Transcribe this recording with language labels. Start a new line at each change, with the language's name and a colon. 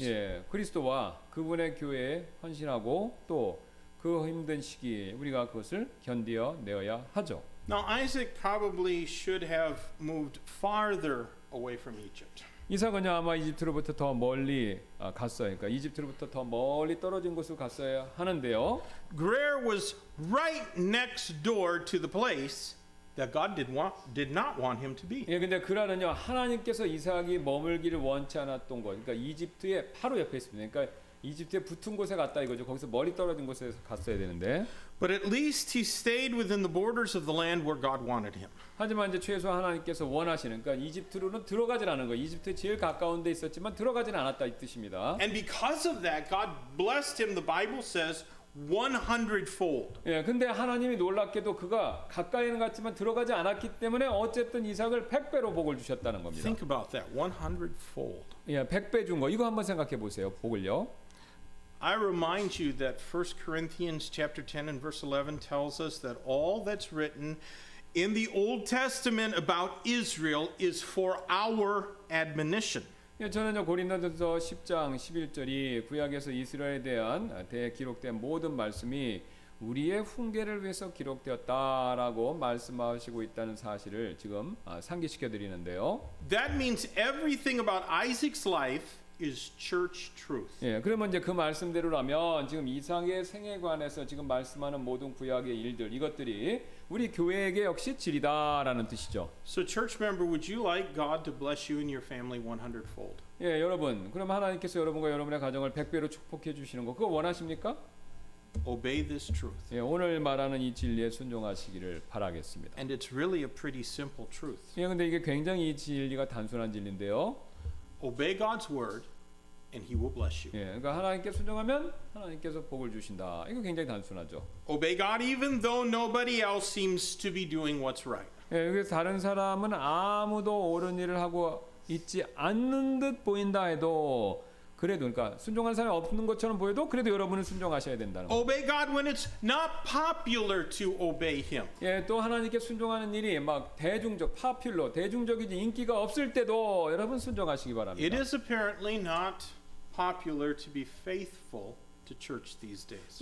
Korean: 예, 그리스도와 그분의 교회에 헌신하고 또 그 힘든 시기에 우리가 그것을 견디어 내어야 하죠.
English: Now Isaac probably should have moved farther away from Egypt.
Korean: 이삭은요 아마 이집트로부터 더 멀리 갔어요. 그러니까 이집트로부터 더 멀리 떨어진 곳으로 갔어야 하는데요.
English: Gerar was right next door to the place that God did not want him to be.
Korean: 예, 근데 그라는요 하나님께서 이삭이 머물기를 원치 않았던 곳, 그러니까 이집트의 바로 옆에 있습니다. 그러니까 이집트에 붙은 곳에 갔다 이거죠. 거기서 멀리 떨어진 곳에서 갔어야 되는데.
English: But at least he stayed within the borders of the land where God wanted him.
Korean: 하지만 이제 최소 하나님께서 원하시는 그러니까 이집트로는 들어가질 않은 거. 이집트에 제일 가까운 데 있었지만 들어가지는 않았다 이 뜻입니다.
English: And because of that God blessed him the Bible says 100-fold.
Korean: 예, 근데 하나님이 놀랍게도 그가 가까이는 갔지만 들어가지 않았기 때문에 어쨌든 이삭을 100배로 복을 주셨다는 겁니다.
English: Think about that. 100-fold.
Korean: 예, 100배 준 거. 이거 한번 생각해 보세요. 복을요.
English: I remind you that 1 Corinthians chapter 10 and verse 11 tells us that all that's written in the Old Testament about Israel is for our admonition.
Korean: 저는요 고린도전서 10장 11절이 구약에서 이스라엘에 대한 기록된 모든 말씀이 우리의 훈계를 위해서 기록되었다라고 말씀하시고 있다는 사실을 지금 상기시켜 드리는데요.
English: That means everything about Isaac's life is church truth.
Korean: 예, 그러면 이제 그 말씀대로라면 지금 이삭의 생애 관해서 지금 말씀하는 모든 구약의 일들 이것들이 우리 교회에게 역시 진리다라는 뜻이죠.
English: So church member, would you like God to bless you and your family 100-fold?
Korean: 예, 여러분. 그럼 하나님께서 여러분과 여러분의 가정을 100배로 축복해 주시는 거 그거 원하십니까?
English: Obey this truth.
Korean: 예, 오늘 말하는 이 진리에 순종하시기를 바라겠습니다.
English: And it's really a pretty simple truth.
Korean: 예, 근데 이게 굉장히 이 진리가 단순한 진리인데요.
English: Obey God's word and he will bless you.
Korean: 예, 그러니까 하나님께 순종하면 하나님께서 복을 주신다. 이거 굉장히 단순하죠.
English: Obey God even though nobody else seems to be doing what's right.
Korean: 예, 그래서 다른 사람은 아무도 옳은 일을 하고 있지 않는 듯 보인다 해도 그래도 그러니까 순종한 사람이 없는 것처럼 보여도 그래도 여러분은 순종하셔야 된다는 거.
English: Obey God when it's not popular to obey him.
Korean: 예, 또 하나님께 순종하는 일이 막 대중적, popular, 대중적이지 인기가 없을 때도 여러분 순종하시기 바랍니다.
English: It is apparently not popular to be faithful to church these days.